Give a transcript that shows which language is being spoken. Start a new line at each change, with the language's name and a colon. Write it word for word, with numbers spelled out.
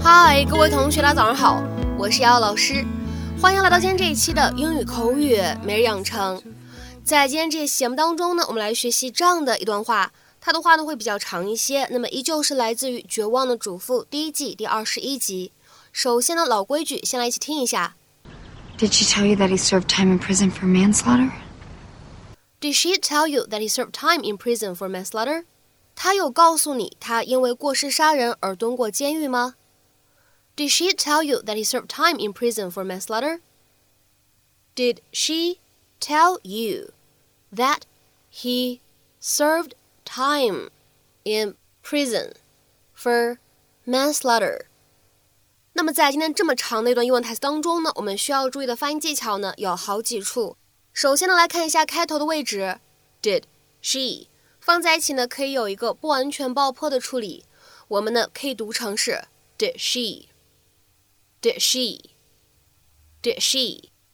Chinese: 嗨，各位同学，大家早上好，我是姚老师，欢迎来到今天这一期的英语口语每日养成。在今天这期节目当中呢，我们来学习这样的一段话，它的话呢会比较长一些，那么依旧是来自于《绝望的主妇》第一季第二十一集。首先呢，老规矩，先来一起听一下。
English: Did she tell you that he served time in prison for manslaughter? Did she tell you that he served time in prison for manslaughter?
Chinese: 她有告诉你他因为过失杀人而蹲过监狱吗？
English: Did she tell you that he served time in prison for manslaughter? Did she tell you that he served time in prison for manslaughter?
Chinese: 那么在今天这么长的一段英文台词当中呢，我们需要注意的发音技巧呢有好几处。首先呢，来看一下开头的位置 ，did she 放在一起呢，可以有一个不完全爆破的处理，我们呢可以读成是
English: did she，did she，did she。